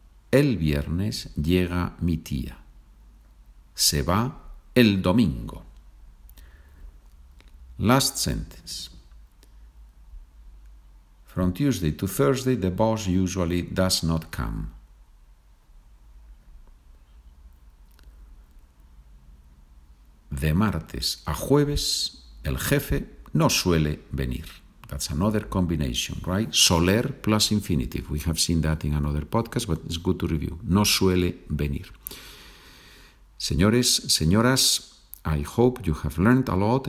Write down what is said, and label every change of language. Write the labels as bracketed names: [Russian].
[Spanish] El viernes llega mi tía. Se va el domingo. [English] Last sentence. From Tuesday to Thursday, the boss usually does not come. [Spanish] De martes a jueves, el jefe no suele venir. [English] That's another combination, right? Soler plus infinitive. We have seen that in another podcast, but it's good to review. [Spanish] No suele venir. Señores, señoras, [English] I hope you have learned a lot.